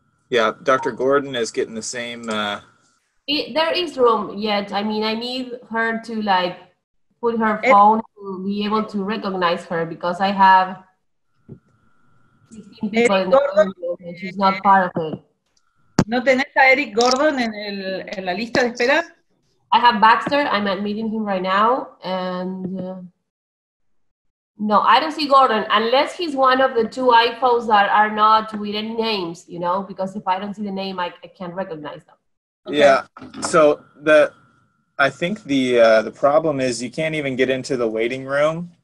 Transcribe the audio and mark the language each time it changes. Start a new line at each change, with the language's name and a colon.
English: Yeah, Dr. Gordon is getting the same. There is room yet. I mean, I need her to like put her phone to be able to recognize her because I have 15 people in the room and she's not part of it.
Spanish: ¿No tenés a Eric Gordon en la lista de espera?
English: I have Baxter, I'm admitting him right now, and no, I don't see Gordon, unless he's one of the two iPhones that are not with any names, you know, because if I don't see the name, I can't recognize them. Okay. Yeah, so I think the problem is you can't even get into the waiting room.